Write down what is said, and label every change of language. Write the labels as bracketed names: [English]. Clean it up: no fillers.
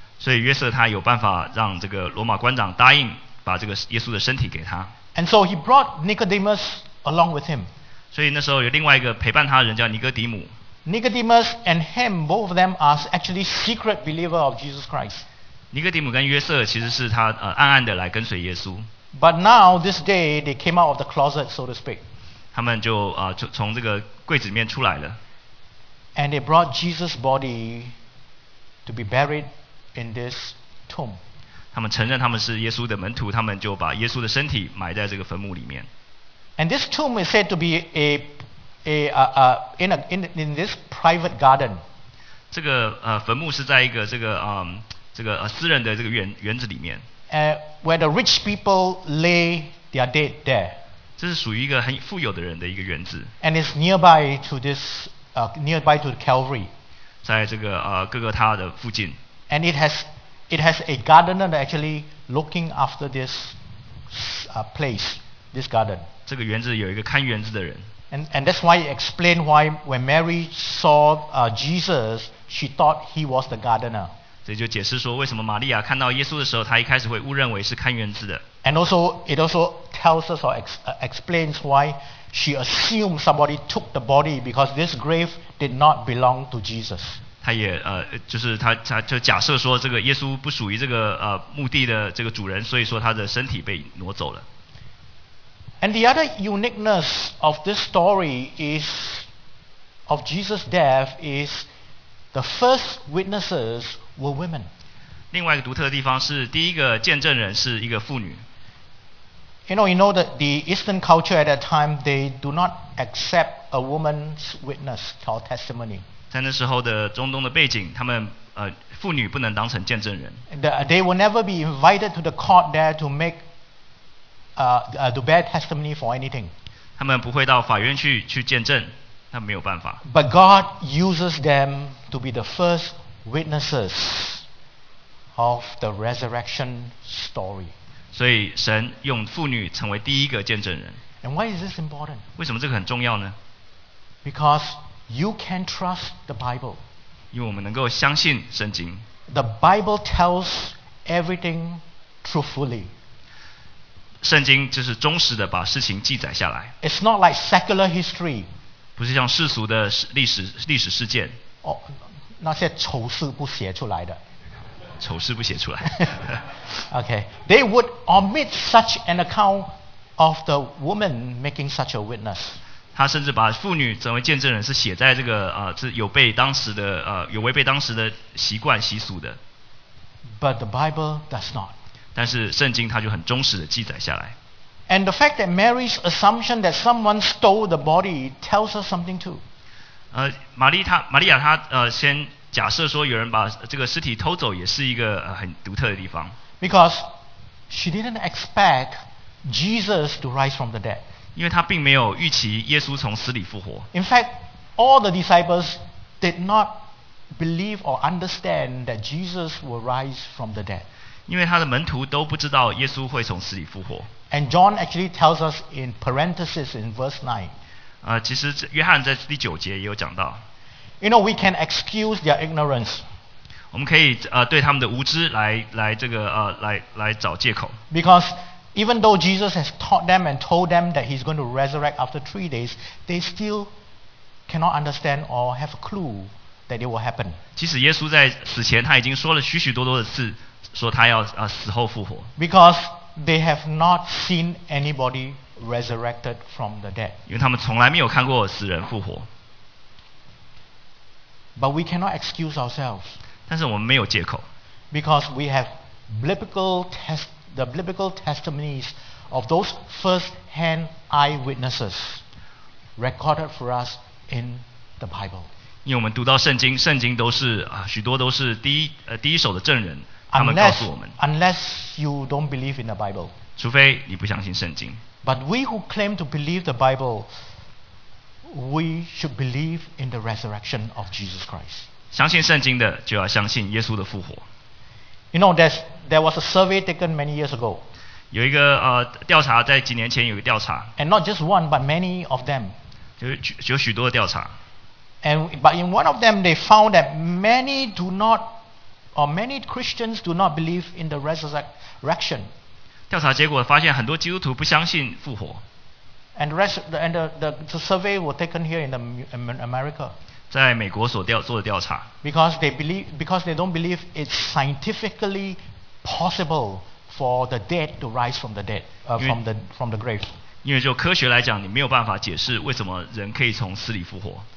[Chinese] 所以约瑟他有办法让这个罗马官长答应把这个耶稣的身体给他。 [English] And so he brought Nicodemus along with him. [Chinese] 所以那时候有另外一个陪伴他的人叫尼哥底母。 [English] Nicodemus and him, both of them are actually secret believers of Jesus Christ. [Chinese] 尼哥底母跟约瑟其实是他暗暗的来跟随耶稣。 [English] But now this day they came out of the closet, so to speak. [Chinese] 他们就从这个柜子里面出来了。 [English] And they brought Jesus' body to be buried in this tomb. [Chinese] 他们承认他们是耶稣的门徒，他们就把耶稣的身体埋在这个坟墓里面。 [English] And this tomb is said to be in this private garden. [Chinese] 这个坟墓是在一个这个这个私人的这个园子里面。 [English] Where the rich people lay their dead there. [Chinese] 这是属于一个很富有的人的一个园子。 [English] And it's nearby to this nearby to the Calvary. [Chinese] 在这个各个他的附近。 [English] And it has a gardener actually looking after this place, this garden. [Chinese] 这个园子有一个看园子的人。 [English] And that's why it explained why when Mary saw Jesus, she thought he was the gardener. [Chinese] 这就解释说为什么玛利亚看到耶稣的时候，她一开始会误认为是看园子的。 [English] And also, it also tells us or explains why she assumed somebody took the body because this grave did not belong to Jesus. [Chinese] 她也就是她就假设说这个耶稣不属于这个墓地的这个主人，所以说他的身体被挪走了。 [English] And the other uniqueness of this story is of Jesus' death is the first witnesses were women. [Chinese] 另外一个独特的地方是第一个见证人是一个妇女。 [English] You know that the Eastern culture at that time, they do not accept a woman's witness or testimony. [Chinese] 在那时候的中东的背景，他们妇女不能当成见证人。 [English] They will never be invited to the court there to make to bear testimony for anything. [Chinese] 他们不会到法院去见证，那没有办法。 [English] But God uses them to be the first witnesses of the resurrection story. [Chinese] 所以神用妇女成为第一个见证人。 [English] And why is this important? [Chinese] 为什么这个很重要呢？ [English] Because you can trust the Bible. [Chinese] 因为我们能够相信圣经。 [English] The Bible tells everything truthfully. [Chinese] 圣经就是忠实的把事情记载下来。 [English] It's not like secular history. [Chinese] 不是像世俗的历史事件。哦，那些丑事不写出来的。丑事不写出来。 [English] Okay, they would omit such an account of the woman making such a witness. [Chinese] 他甚至把妇女成为见证人是写在这个是有被当时的有违背当时的习惯习俗的。 [English] But the Bible does not. [Chinese] 但是圣经它就很忠实的记载下来。 [English] And the fact that Mary's assumption that someone stole the body tells us something too. [Chinese] 玛利亚她先假设说有人把这个尸体偷走，也是一个很独特的地方。 [English] Because she didn't expect Jesus to rise from the dead. [Chinese] 因为她并没有预期耶稣从死里复活。 [English] In fact, all the disciples did not believe or understand that Jesus will rise from the dead. [Chinese] 因为他的门徒都不知道耶稣会从死里复活。 [English] And John actually tells us in parenthesis in verse 9. [Chinese] 其实约翰在第九节也有讲到。 [English] You know, we can excuse their ignorance. [Chinese] 我们可以对他们的无知来这个来找借口。 [English] Because even though Jesus has taught them and told them that he's going to resurrect after 3 days, they still cannot understand or have a clue that it will happen. [Chinese] 其实耶稣在死前他已经说了许许多多的次，说他要死后复活。 [English] Because they have not seen anybody resurrected from the dead. [Chinese] 因为他们从来没有看过死人复活。 [English] But we cannot excuse ourselves. [Chinese] 但是我们没有借口。 [English] Because we have the biblical testimonies of those first-hand eyewitnesses recorded for us in the Bible. [Chinese] 因为我们读到圣经，圣经都是许多都是第一手的证人，他们告诉我们。 [English] Unless you don't believe in the Bible. [Chinese] 除非你不相信圣经。 [English] But we who claim to believe the Bible, we should believe in the resurrection of Jesus Christ. [Chinese] 相信圣经的就要相信耶稣的复活。 [English] You know, there was a survey taken many years ago. [Chinese] 有一个调查，在几年前有一个调查。 [English] And not just one, but many of them. [Chinese] 有许多的调查。 [English] But in one of them, they found that many Christians do not believe in the resurrection. [Chinese] 调查结果发现很多基督徒不相信复活。 [English] And the survey was taken here in America. [Chinese] 在美国所做的调查。 [English] Because they don't believe it's scientifically possible for the dead to rise from the dead, from the grave. [Chinese] 因为就科学来讲，你没有办法解释为什么人可以从死里复活。